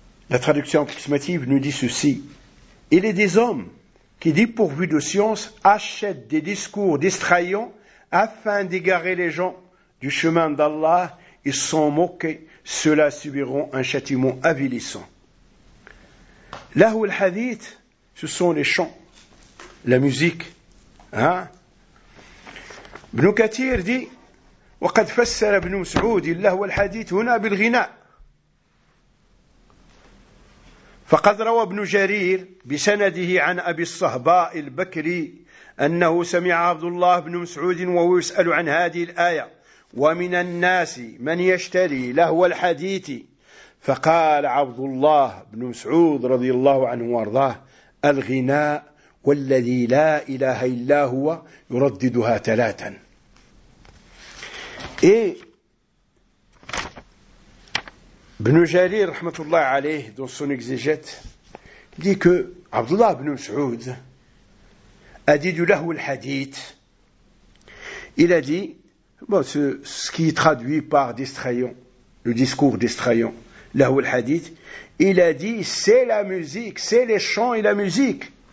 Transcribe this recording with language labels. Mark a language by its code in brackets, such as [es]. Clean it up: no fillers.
[fr] La traduction approximative nous dit ceci: il est des hommes qui, dépourvus de science, achètent des discours distrayants afin d'égarer les gens du chemin d'Allah et s'en moquer. Ceux-là subiront un châtiment avilissant. Lahu al-hadith, ce sont les chants, la musique, hein. [ar] Ibn Kathir dit: وقد فسر ابن مسعود اللهو الحديث هنا بالغناء. فقد روى ابن جرير بسنده عن أبي الصهباء البكري أنه سمع عبد الله بن مسعود وهو يسأل عن هذه الآية: ومن الناس من يشتري لهو الحديث. فقال عبد الله بن مسعود رضي الله عنه وارضاه: الغناء والذي لا إله إلا هو يرددها ثلاثا. [fr] Ibn Jarir, rahmatullah alayh, dans son exégète, dit que Abdullah ibn Mas'ud a dit du lahu al-hadith. Il a dit, bon, ce qui est traduit par distrayant, le discours distrayant, lahu al-hadith, il a dit, c'est la musique, c'est les chants et la musique.